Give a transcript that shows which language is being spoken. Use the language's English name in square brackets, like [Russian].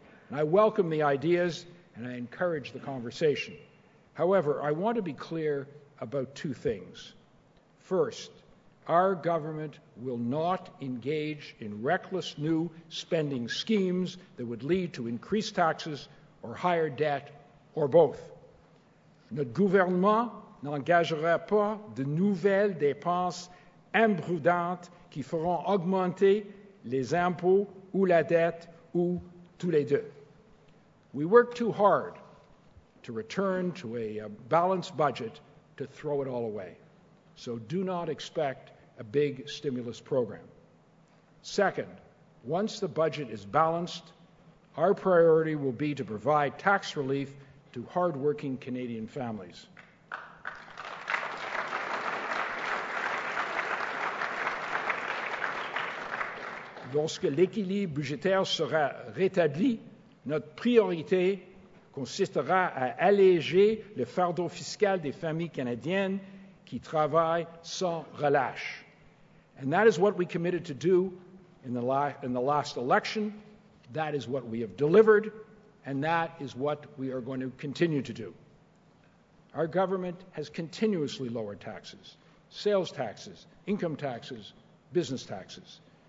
[English] And I welcome the ideas and I encourage the conversation. However, I want to be clear about two things. First, our government will not engage in reckless new spending schemes that would lead to increased taxes or higher debt or both. [French] Notre gouvernement n'engagera pas de nouvelles dépenses imprudentes qui feront augmenter les impôts ou la dette ou tous les deux. [English] We work too hard to return to a balanced budget to throw it all away. So do not expect a big stimulus program. Second, once the budget is balanced, our priority will be to provide tax relief to hardworking Canadian families. [French] Lorsque l'équilibre budgétaire sera rétabli, notre priorité consistera à alléger le fardeau fiscal des familles canadiennes qui travaillent sans relâche. [English] And that is what we committed to do in the last election. That is what we have delivered, and that is what we are going to continue to do. Our government has continuously lowered taxes, sales taxes, income taxes, business taxes.